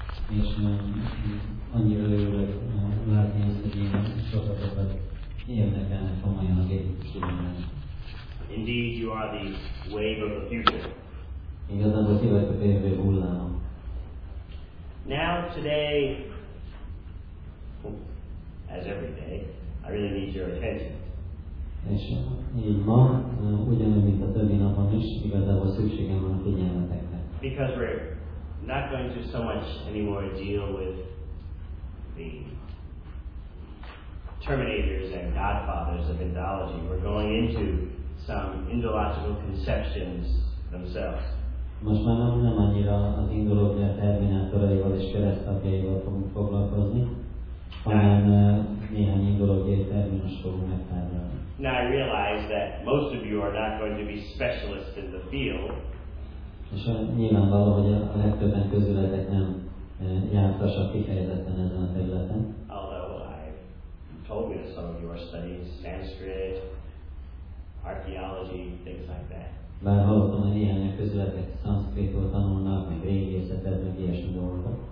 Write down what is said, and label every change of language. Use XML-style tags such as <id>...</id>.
<hu>És annyira örülök, látni azt, hogy én sokatokat ilyennek ennek a mai nap egyik tudomány.</hu> <en>Indeed, you are the wave of the future.</en> <hu>Igazából ti vagy a jövő hulláma.</hu> <en>Now, today, as every day, I really need your attention.</en> <hu>És így ma, ugyanúgy, mint a többi napon is, igazából szükségem van a figyelmetekre.</hu> <en>Because we're not going to so much anymore deal with the terminators and godfathers of Indology. We're going into some Indological conceptions themselves.</en> <hu>Most már nem annyira az indológia terminátoraival és keresztapjaival fogunk foglalkozni, hanem néhány indológiai terminust fogunk megtárgyalni.</hu> <en>Now I realize that most of you are not going to be specialists in the field.</en> <hu>És nyilvánvaló, hogy a legtöbben közületek nem jártasak kifejezetten ezen a területen.</hu> <en>Although I told you that some of you are studying Sanskrit, archaeology, things like that.</en> <hu>Bár hallottam, hogy néhányan közületek Sanskritot tanulnak, meg régészetet, meg ilyesmi dolgokat.</hu>